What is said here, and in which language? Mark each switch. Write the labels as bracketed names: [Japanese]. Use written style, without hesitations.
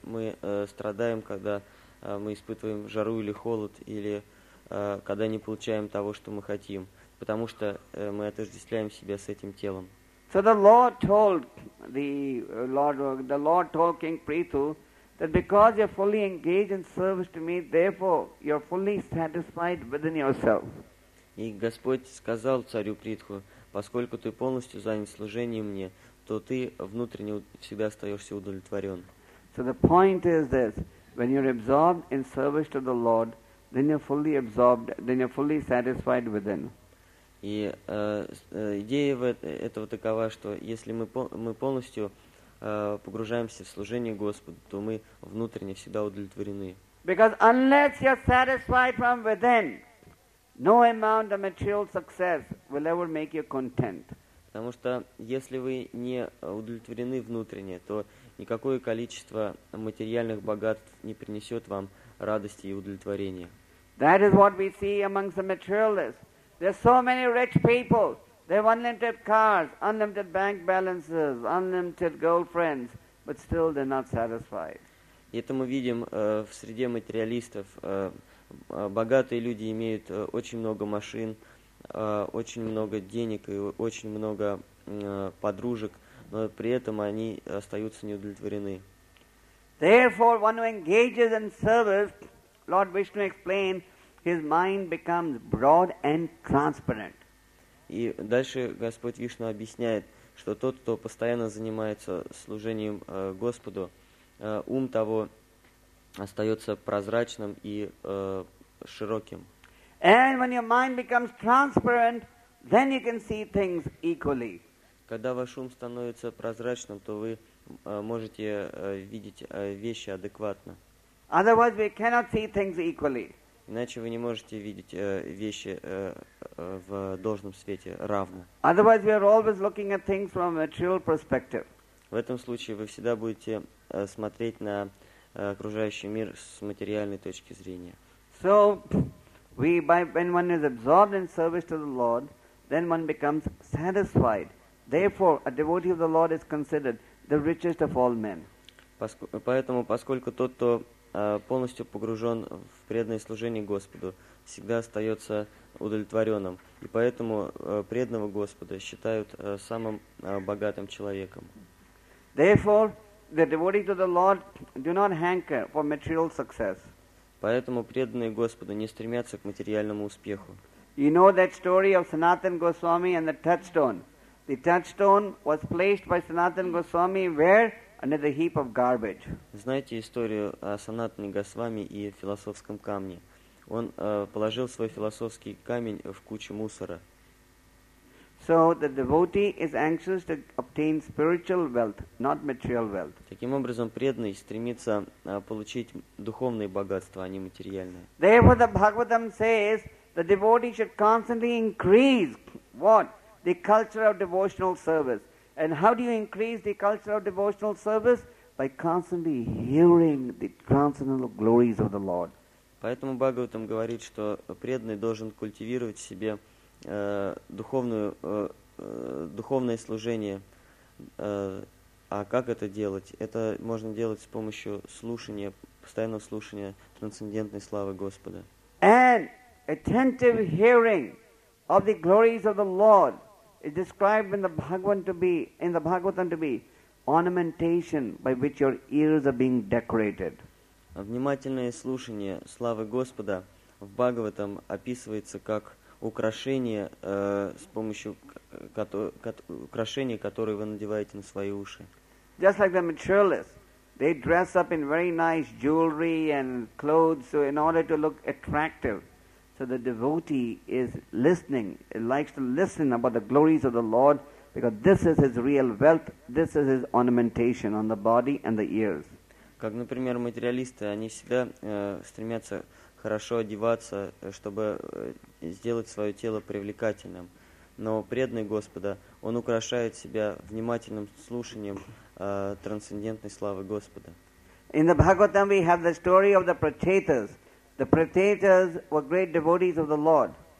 [Russian] Мы страдаем, когда мы испытываем жару или холод, или когда не получаем того, что мы хотим, потому что мы отождествляем себя с этим телом. [English] So the Lord told the Lord told King Prithu that because you're fully engaged in service to me, therefore you're fully satisfied within yourself. [Russian] И Господь сказал царю Притху, поскольку ты полностью занят служением мне, то ты внутренне всегда остаешься удовлетворен. [English] So the point is this: when you're absorbed in service to the Lord, then you're fully absorbed, then you're fully satisfied within. [Russian] И идея этого такова, что если мы полностью погружаемся в служение Господу, то мы внутренне всегда удовлетворены. [English] Because unless you're satisfied from within, no amount of material success will ever make you content. [Russian] Потому что если вы не удовлетворены внутренне, то никакое количество материальных богатств не принесет вам радости и удовлетворения. [English] That is what we see amongst the materialists. There's so many rich people. They have unlimited cars, unlimited bank balances, unlimited girlfriends, but still they're not satisfied. [Russian] И это мы видим в среде материалистов. Богатые люди имеют очень много машин, очень много денег и очень много подружек, но при этом они остаются неудовлетворены. [English] Therefore, one who engages in service, Lord Vishnu explained, his mind becomes broad and transparent. [Russian] И дальше Господь Вишну объясняет, что тот, кто постоянно занимается служением Господу, ум того остается прозрачным и широким. [English] And when your mind becomes transparent, then you can see things equally. [Russian] Когда ваш ум становится прозрачным, то вы можете видеть вещи адекватно. [English] Otherwise, we cannot see things equally. [Russian] Иначе вы не можете видеть вещи в должном свете равно. [English] Otherwise, we are always looking at things from a material perspective. [Russian] В этом случае вы всегда будете смотреть на окружающий мир с материальной точки зрения. [English] So, when one is absorbed in service to the Lord, then one becomes satisfied. Therefore, a devotee of the Lord is considered the richest of all men. [Russian] Поэтому, поскольку тот, кто полностью погружен в преданное служение Господу, всегда остается удовлетворенным, и поэтому преданного Господа считают самым богатым человеком. [English] Therefore, the devotee to the Lord do not hanker for material success. [Russian] Поэтому преданные Господу не стремятся к материальному успеху. [English] You know that story of Sanatan Goswami and the touchstone. The touchstone was placed by Sanatan Goswami where? Under the heap of garbage. [Russian] Знаете историю о Санатане Госвами и философском камне? Он положил свой философский камень в кучу мусора. [English] So the devotee is anxious to obtain spiritual wealth, not material wealth. [Russian] Таким образом, преданный стремится получить духовное богатство, а не материальное. [English] Therefore, the Bhagavatam says the devotee should constantly increase what? The culture of devotional service. And how do you increase the culture of devotional service? By constantly hearing the transcendental glories of the Lord. [Russian] Поэтому Бхагаватам говорит, что преданный должен культивировать в себе духовное служение. А как это делать? Это можно делать с помощью слушания, постоянного слушания трансцендентной славы Господа. [English] And attentive hearing of the glories of the Lord is described in the Bhagavatam to be ornamentation by which your ears are being decorated. [Russian] Внимательное слушание славы Господа в Бхагаватам описывается как украшение, с помощью украшения, которое вы надеваете на свои уши. [English] Just like the materialists, they dress up in very nice jewelry and clothes so in order to look attractive. So the devotee is listening, he likes to listen about the glories of the Lord because this is his real wealth, this is his ornamentation on the body and the ears. [Russian] Как, например, материалисты, они всегда стремятся хорошо одеваться, чтобы сделать свое тело привлекательным. Но преданный Господа, он украшает себя внимательным слушанием трансцендентной славы Господа. [English] In the Bhagavatam, we have the story of the Prachetas. The Prachetas were great devotees of the Lord.